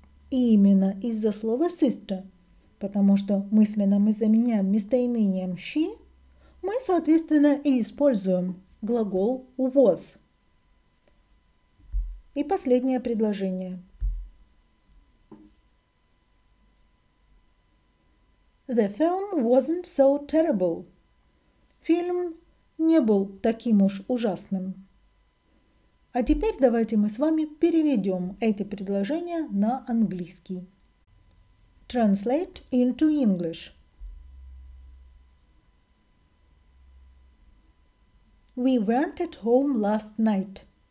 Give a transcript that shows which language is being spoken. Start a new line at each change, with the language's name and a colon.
Russian: И именно из-за слова sister. Потому что мысленно мы заменяем местоимением she, мы, соответственно, и используем глагол was. И последнее предложение.
English: The film wasn't so terrible.
Russian: Фильм не был таким уж ужасным. А теперь давайте мы с вами переведем эти предложения на английский.
English: Translate into English. We weren't at home last night.